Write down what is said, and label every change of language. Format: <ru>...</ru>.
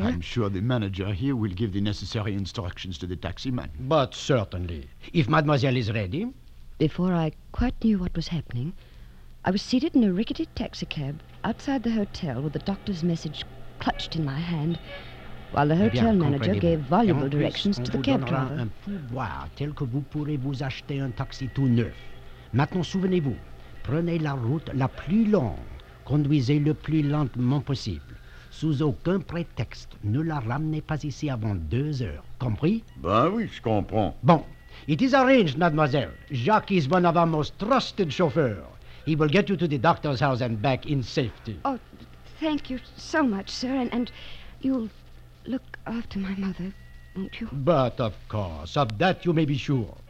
<en>I'm sure the manager here will give the necessary instructions to the taxi man. But certainly, if mademoiselle is ready. Before I quite knew what was happening, I was seated in a rickety taxicab outside the hotel with the doctor's message clutched in my hand, while the hotel manager gave voluble directions to the cab driver.</en> <fr>On vous donnera un pourboire tel que vous pourrez vous acheter un taxi tout neuf. Maintenant, souvenez-vous, prenez la route la plus longue, conduisez le plus lentement possible. Sous aucun prétexte, ne la ramenez pas ici avant 2 heures. Compris? Ben oui, je comprends.</fr> <en>Bon, it is arranged, mademoiselle. Jacques is one of our most trusted chauffeurs. He will get you to the doctor's house and back in safety. Oh, thank you so much, sir, and you'll... Look after my mother, won't you? But of course, of that you may be sure.</en>